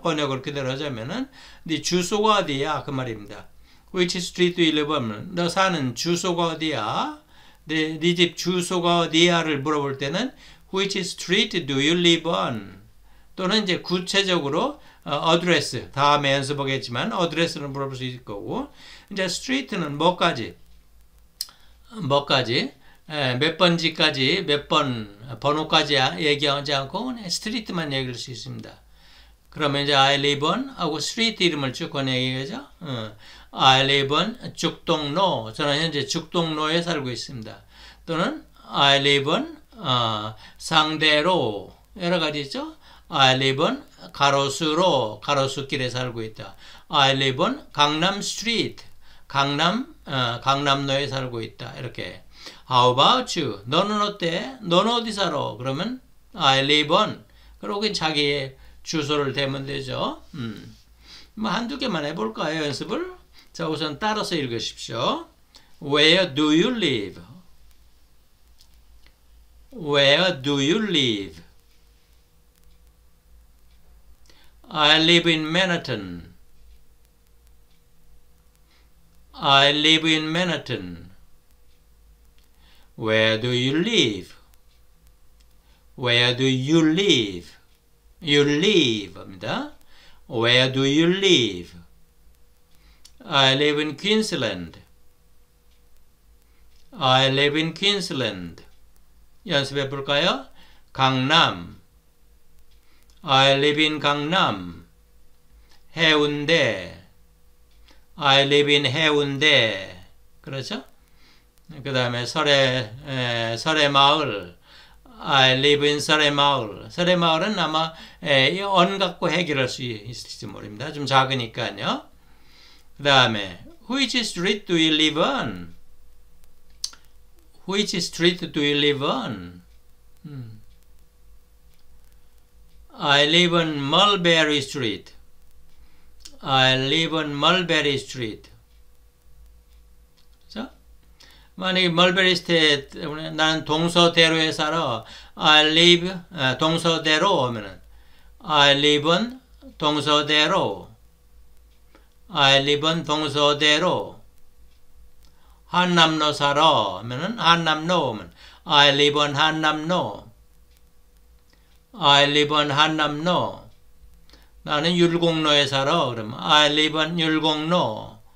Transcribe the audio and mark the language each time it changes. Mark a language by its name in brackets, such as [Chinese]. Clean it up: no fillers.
[Korean] 번역을 그대로 하자면은 네 주소가 어디야? 그 말입니다. [English] Which street do you live on? [Korean] 너 사는 주소가 어디야? 네집 주소가 어디야?를 물어볼 때는 [English] Which street do you live on? [Korean] 또는 이제 구체적으로 address 다음에 연습하겠지만 address는 물어볼 수 있을 거고 이제 street는 뭐까지? 뭐까지? 몇 번지까지, 몇 번, 번호까지 얘기하지 않고, 스트리트만 얘기할 수 있습니다. 그러면 이제 [English] I live on [Korean] 하고 street 이름을 쭉 권해야겠죠? [English] I live on 죽동로. [Korean] 저는 현재 죽동로에 살고 있습니다. [English] 또는 I live on 상대로. [Korean] 여러 가지 있죠? [English] I live on 가로수로. [Korean] 가로수길에 살고 있다. [English] I live on 강남 street. [Korean] 강남로에 살고 있다. 이렇게. [English] How about you? [Korean] 너는 어때? 너는 어디 살아? [English] 그러면 I live on. [Korean] 그리고 자기의 주소를 대면 되죠. 뭐 한두 개만 해볼까요? 연습을. 자, 우선 따라서 읽으십시오. [English] Where do you live? Where do you live? I live in Manhattan. I live in Manhattan. Where do you live? Where do you live? You live, 합니다. Where do you live? I live in Queensland. I live in Queensland. [Korean] 연습해 볼까요? [English] 강남. I live in 강남. 해운대. I live in 해운대. [Korean] 그렇죠? 그 다음에 설해 마을. [English] I live in 설해마을. [Korean] 설해마을은 아마 언 갖고 해결할 수 있을지 모릅니다. 좀 작으니까요. 그 다음에 [English] Which street do you live on? Which street do you live on? I live on Mulberry Street. I live on Mulberry Street. [Korean] 만약에 멀베리스테이트 때문에 나는 동서대로에 살아. [English] I live 동서대로 [Korean] 하면은 [English] I live on 동서대로. I live on 동서대로. [Korean] 한남로 살아 하면은 한남로 하면 [English] I live on 한남로. I live on 한남로. [Korean] 나는 율곡로에 살아. 그러면 [English] I live on 율곡로.